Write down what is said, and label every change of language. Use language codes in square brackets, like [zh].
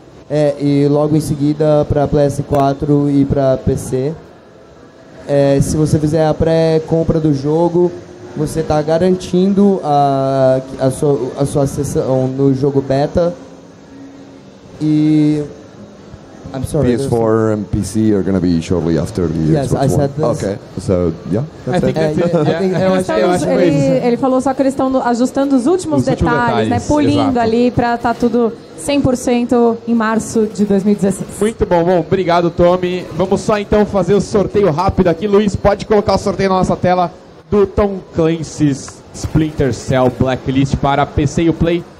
[pt] É, e logo em seguida para PS4 e para PC. É, se você fizer a pré-compra do jogo, você está garantindo a sua sessão no jogo beta. E [en] I'm sorry, PS4 and PC are going to be shortly after the Xbox One. Yes, I said this. Okay. So, yeah. [pt] Ele falou só que eles estão ajustando os últimos detalhes, né? Pulindo ali para estar tudo 100% em março de 2016. Muito bom. Bom, obrigado, Tommy. Vamos só então fazer o sorteio rápido aqui. Luiz, pode colocar o sorteio na nossa tela do Tom Clancy's Splinter Cell Blacklist para PC e o Play.